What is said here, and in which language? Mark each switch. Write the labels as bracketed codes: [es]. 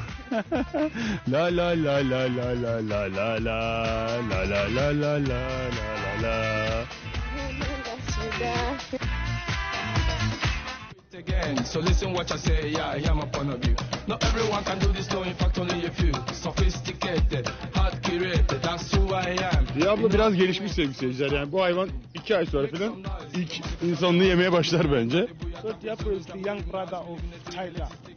[en] La la la la la la la la la la la la la la la la la. Again. So listen what I say, yeah, I am a fan of you. Not everyone can do this, though, in fact only a few. Sophisticated, hard curated, that's who I am. [tr] Diablo biraz gelişmiş sevgili seyirciler. Yani bu hayvan 2 ay sonra falan ilk insanlığı yemeye başlar bence. [en] So Diablo is the young brother of Tyler.